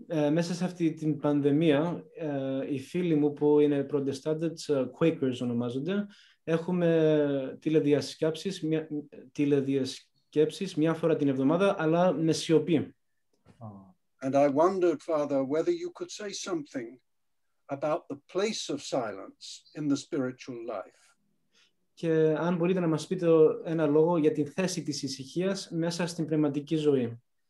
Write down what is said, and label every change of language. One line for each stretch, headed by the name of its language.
Greek: Μέσα σε αυτή την πανδημία, οι φίλοι μου που είναι Protestants, Quakers ονομάζονται, έχουμε τηλεδιασκέψεις μια φορά την εβδομάδα, αλλά με σιωπή.
English: And I wondered, Father, whether you could say something about the place of silence in the spiritual life.
Greek: Και αν μπορείτε να μας πείτε ένα λόγο για την θέση της ησυχίας μέσα στην πνευματική ζωή.